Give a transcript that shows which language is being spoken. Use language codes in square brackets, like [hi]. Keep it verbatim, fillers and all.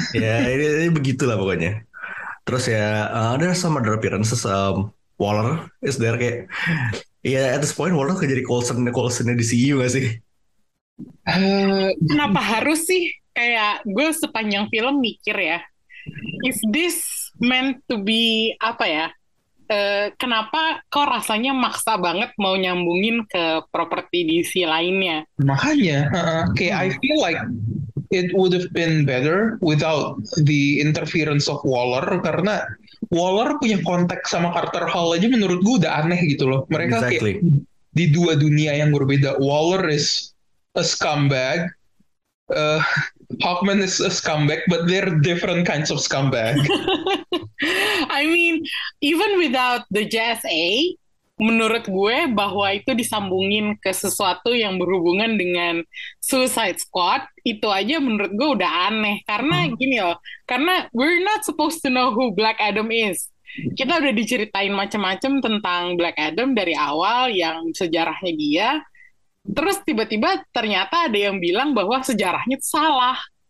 [id] Ya, ini, ini begitulah pokoknya. Terus ya, uh, ada [en] some other appearances. Um, Waller is there kayak. [id] Ya, yeah, [en] at this point [id] Waller kayak jadi Coulson, Coulsonnya di C U gak sih? Uh, Kenapa harus sih? Kayak gue sepanjang film mikir ya, [en] is this meant to be [id] apa ya? Uh, kenapa kok rasanya maksa banget mau nyambungin ke properti D C lainnya? Makanya, uh, kayak [en] I feel like it would have been better without the interference of Waller, [id] karena Waller punya kontak sama Carter Hall aja menurut gue udah aneh gitu loh. Mereka [en] exactly. [id] Kayak di dua dunia yang berbeda. Waller [en] is a scumbag. Uh, Hawkman is a scumbag, but they're different kinds of scumbag. I mean, even without the J S A, [id] menurut gue bahwa itu disambungin ke sesuatu yang berhubungan dengan Suicide Squad, itu aja menurut gue udah aneh. Karena hmm. gini loh, karena [en] we're not supposed to know who Black Adam is. [id] Kita udah diceritain macam-macam tentang Black Adam dari awal, yang sejarahnya dia. Terus tiba-tiba ternyata ada yang bilang bahwa sejarahnya itu salah.